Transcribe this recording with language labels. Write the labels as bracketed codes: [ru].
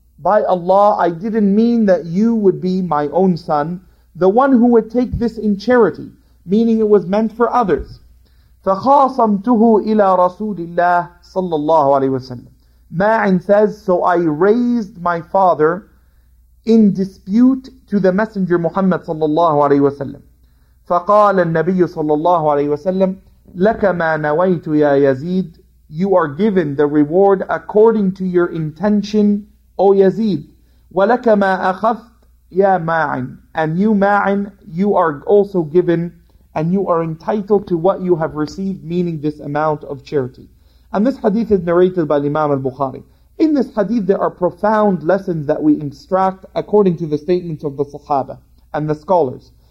[en] By Allah, I didn't mean that you would be my own son, the one who would take this in charity, meaning it was meant for others. [ar] فَخَاصَمْتُهُ إِلَى رَسُولِ اللَّهِ صَلَّى اللَّهُ عَلَيْهِ وَسَلَّمُ. [en] Ma'in says, so I raised my father in dispute to the Messenger Muhammad sallallahu alayhi wa sallam. [ar] فَقَالَ النَّبِيُّ sallallahu alayhi wa sallam, لَكَ مَا نَوَيْتُ يَا يَزِيدُ. [en] You are given the reward according to your intention, O Yazid. [ar] وَلَكَ مَا أَخَذْتُ يَا مَاعٍ. [en] And you, Ma'in, you are also given and you are entitled to what you have received, meaning this amount of charity. And this hadith is narrated by Imam al-Bukhari. In this hadith, there are profound lessons that we extract according to the statements of the Sahaba and the scholars.